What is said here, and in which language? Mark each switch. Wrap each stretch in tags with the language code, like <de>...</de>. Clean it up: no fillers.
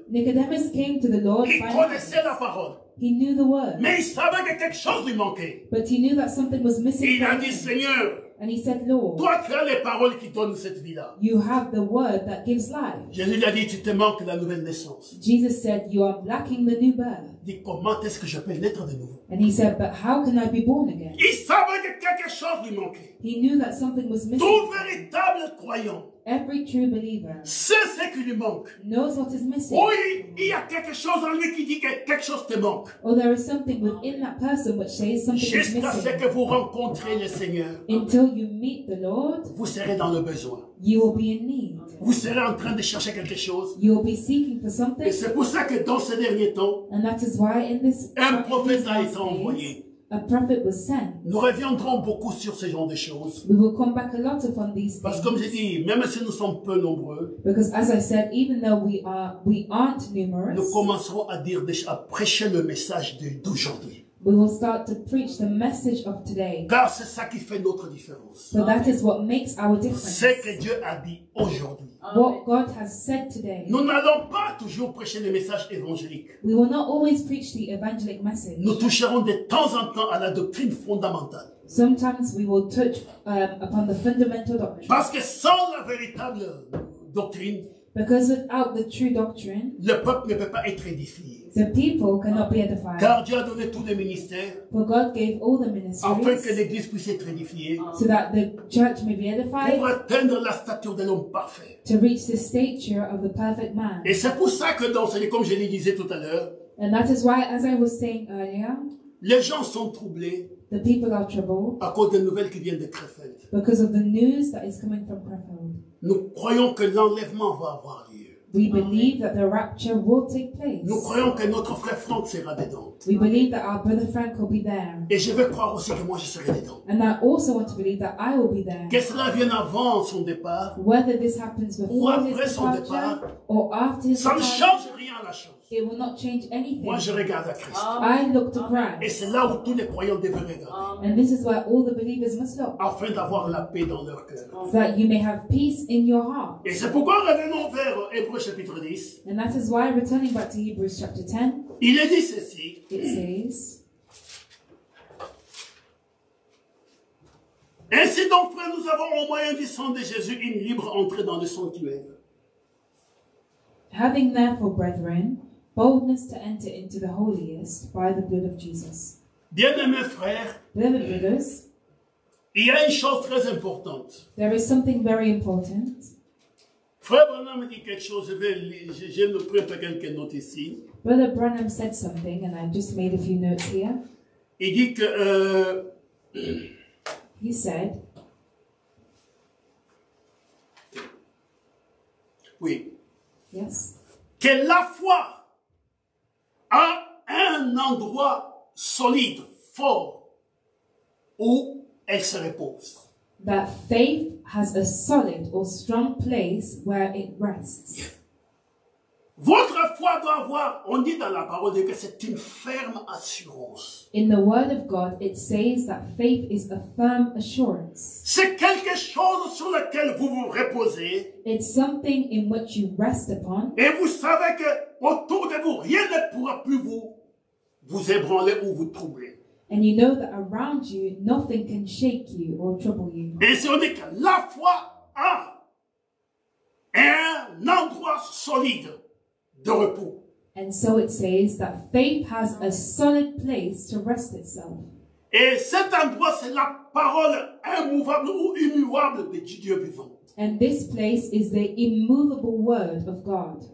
<en>Nicodemus came to the Lord.</en> <fr>Il connaissait la parole.</fr> <en>He knew the word.</en> <fr>Mais il savait que quelque chose lui manquait.</fr> <en>But he knew that something was missing.</en> <fr>Il a dit, Seigneur,</fr> <en>and he said, Lord,</en> <fr>toi tu as les paroles qui donnent cette vie-là.</fr> <en>You have the word that gives life.</en> <fr>Jésus lui a dit, tu te manques la nouvelle naissance.</fr> <en>Jesus said, you are lacking the new birth.</en> <fr>Dit, comment est-ce que je peux naître de nouveau?</fr> <en>And he said, but how can I be born again?</en> <fr>Il savait que quelque chose lui manquait.</fr> <en>He knew that something was missing.</en> <fr>Tout véritable croyant,</fr> <en>every true believer,</en> <fr>sait ce qui lui manque.</fr> <en>Knows what is missing.</en> <fr>Oui, il y a quelque chose en lui qui dit que quelque chose te manque.</fr> <en>Or there is something within that person which says something</en> <fr>jusqu'à</fr> <en>is missing.</en> <fr>Jusqu'à ce que vous rencontrez le Seigneur,</fr> <en>until you meet the Lord,</en> <fr>vous serez dans le besoin.</fr> <en>You will be in need.</en> <fr>Vous serez en train de chercher quelque chose.</fr> <en>You will be seeking for something.</en> <fr>Et c'est pour ça que dans ces derniers temps,</fr> <en>and that is why in this,</en> <fr>un prophète a été envoyé.</fr> <en>a prophet was sent.</en> <fr>Nous reviendrons beaucoup sur ce genre de choses.</fr> <en>We will come back a lot upon these things.</en> <fr>Parce que comme j'ai dit, même si nous sommes peu nombreux,</fr> <en>because as I said, even though we aren't numerous,</en> <fr>nous commencerons à prêcher le message d'aujourd'hui.</fr> <en>We will start to preach the message of today.</en> <fr>Car c'est ça qui fait notre différence.</fr> <en>So that is what makes our difference.</en> <fr>C'est que Dieu a dit aujourd'hui.</fr> <en>What God has said today.</en> <fr>Nous n'allons pas toujours prêcher le message évangélique.</fr> <en>We will not always preach the evangelic message.</en> <fr>Nous toucherons de temps en temps à la doctrine fondamentale.</fr> <en>Sometimes we will touch upon the fundamental doctrine.</en> <fr>Parce que sans la véritable doctrine,</fr> <en>because without the true doctrine,</en> <fr>le peuple ne peut pas être édifié.</fr> <en>The people cannot be edified.</en> <fr>Car Dieu a donné tous les ministères.</fr> <en>For God gave all the ministries.</en> <fr>Afin que l'Église puisse être édifiée.</fr> <en>So that the church may be edified.</en> <fr>Pour atteindre la stature de l'homme parfait.</fr> <en>To reach the stature of the perfect man.</en> <fr>Et c'est pour ça que dans ce comme je le disais tout à l'heure.</fr> <en>And that is why, as I was saying earlier,</en> <fr>les gens sont troublés.</fr> <en>The people are troubled.</en> <fr>À cause des nouvelles qui viennent de Krefeld.</fr> <en>Because of the news that is coming from Krefeld.</en> <fr>Nous croyons que l'enlèvement va avoir lieu.</fr> <en>We believe that the rapture will take place.</en> <fr>Nous croyons que notre frère Franck sera dedans.</fr> <en>We believe that our brother Frank will be there.</en> <fr>Et je veux croire aussi que moi je serai dedans.</fr> <en>And I also want to believe that I will be there.</en> <fr>Que cela vienne avant son départ.</fr> <en>Whether this happens before</en> <fr>ou après son départ.</fr> <en>Or after his</en> <fr>ça ne change rien à la chose.</fr> <en>It will not change anything.</en> <fr>Moi je regarde à Christ.</fr> <en>I look to Christ.</en> <fr>Et c'est là où tous les croyants devraient regarder.</fr> <en>And this is where all the believers must look.</en> <fr>Afin d'avoir la paix dans leur cœur.</fr> <en>So that you may have peace in your heart.</en> <fr>Et c'est pourquoi revenons vers Hébreux chapitre 10.</fr> <en>And that is why returning back to Hebrews chapter 10.</en> <fr>Il est dit ceci.</fr> <en>It says.</en> <fr>Ainsi donc, frère, nous avons au moyen du sang de Jésus une libre entrée dans le sanctuaire.</fr> <en>Having therefore, brethren, boldness to enter into the holiest by the blood of Jesus.</en> <fr>Bien-aimés frères,</fr> <en>beloved brothers,</en> <fr>il y a une chose très importante.</fr> <en>There is something very important.</en> <fr>Frère Branham dit quelque chose, je le prie pour quelqu'un note ici.</fr> <en>Brother Branham said something, and I just made a few notes here.</en> <fr>Il dit que...</fr> <en>He said...</en> <fr>Oui.</fr> <en>Yes.</en> <fr>Que la foi a un endroit solide, fort, où elle se repose.</fr> <en>That faith has a solid or strong place where it rests.</en> <fr>Votre foi doit avoir, on dit dans la parole de Dieu, c'est une ferme assurance.</fr> <en>In the word of God, it says that faith is a firm assurance.</en> <fr>C'est quelque chose sur lequel vous vous reposez.</fr> <en>It's something in which you rest upon.</en> <fr>Et vous savez que autour de vous, rien ne pourra plus vous ébranler ou vous troubler.</fr> <en>And you know that around you, nothing can shake you or trouble you.</en> <fr>Et si on dit que la foi a un endroit solide de repos.</fr> <en>And so it says that faith has a solid place to rest itself.</en> <fr>Et cet endroit, c'est la parole immuvable ou immuable de Dieu vivant.</fr> <en>And this place is the immovable word of God.</en>